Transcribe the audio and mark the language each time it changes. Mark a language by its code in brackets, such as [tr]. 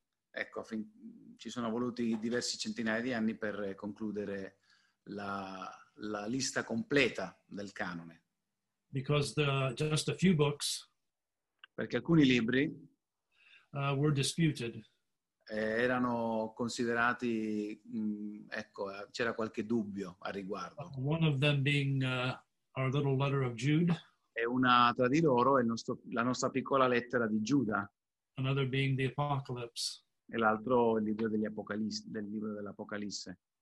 [it] Ecco, ci sono voluti diversi centinaia di anni per concludere la lista completa del canone. [en] Because just a few books. [it] Perché alcuni libri [en] were disputed. [it] Erano considerati, ecco, c'era qualche dubbio a riguardo. [en] One of them being our little letter of Jude. [it] E una tra di loro è la nostra piccola lettera di Giuda. [en] Another being the Apocalypse. [it] E l'altro il libro degli Apocalisse, del libro dell'Apocalisse.